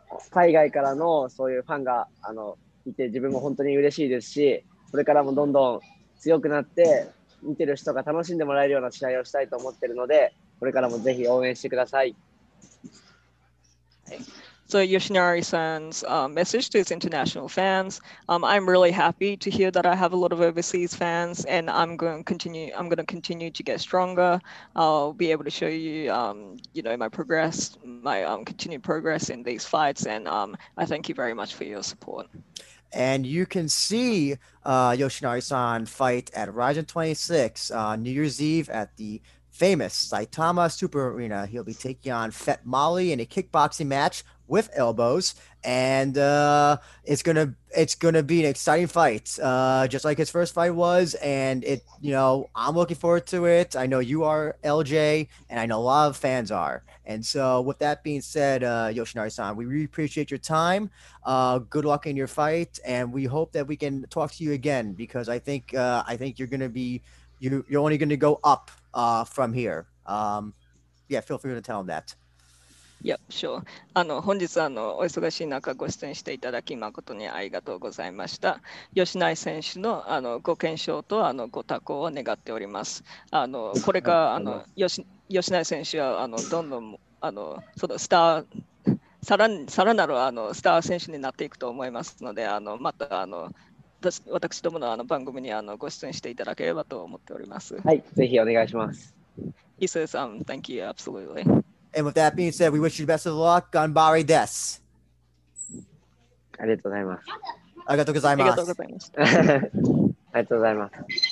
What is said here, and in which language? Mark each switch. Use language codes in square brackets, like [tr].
[ja] 海外からのそういうファンが見て自分も本当に嬉しいですし、これからもどんどん強くなって見てる人が楽しんでもらえるような試合をしたいと思ってるので、これからもぜひ応援してください。 [en] So Yoshinari-san's message to his international fans, I'm really happy to hear that I have a lot of overseas fans, and I'm going to continue to get stronger. I'll be able to show you, my continued progress in these fights, and I thank you very much for your support. And you can see Yoshinari-san fight at Ryzen 26 New Year's Eve at the famous Saitama Super Arena. He'll be taking on Fett Molly in a kickboxing match with elbows, and it's gonna be an exciting fight, just like his first fight was. And I'm looking forward to it. I know you are, LJ, and I know a lot of fans are. And so, with that being said, Yoshinari-san, we really appreciate your time. Good luck in your fight, and we hope that we can talk to you again, because I think you're only gonna go up from here. Feel free to tell him that. Yep, sure. [ja] 本日お忙しい中ご出演していただき誠にありがとうございました。吉成選手 の, ご健勝とご多幸を願っております。これから吉成選手はどんどんそのスターさらなるスター選手になっていくと思いますので、また私ども の番組にご出演していただければと思っております。はい、ぜひお願いします。 [en] 伊勢さん、Thank you, absolutely. And with that being said, we wish you the best of luck. [ja] Ganbare desu. ありがとうございます。ありがとうございます。ありがとうございました。ありがとうございます。